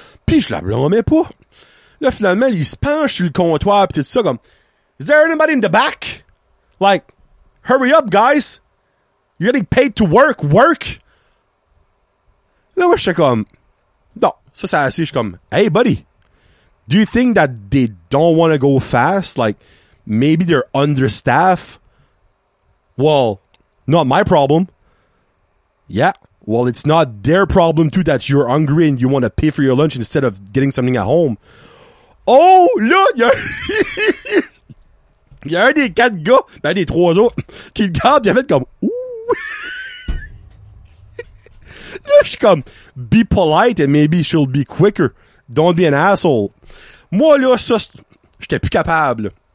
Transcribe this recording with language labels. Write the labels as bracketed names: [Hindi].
[French] Pis je la blâmais pas. Là, finalement, il se penche sur le comptoir, pis tout ça, comme, [English] is there anybody in the back? Like, hurry up, guys. You're getting paid to work, work. [French] Là, moi, j'étais comme, non, ça, c'est assez. J'suis comme, [English] hey, buddy, do you think that they don't want to go fast? Like, maybe they're understaffed. Well, not my problem. Yeah, well, it's not their problem, too, that you're hungry and you want to pay for your lunch instead of getting something at home. [French] Oh, là, y'a un des quatre gars, ben, des trois autres, qui le gardent, il a fait comme, ouh! Là, je suis comme, [English] be polite and maybe she'll be quicker. Don't be an asshole. [French] Moi, là, ça, j'étais plus capable.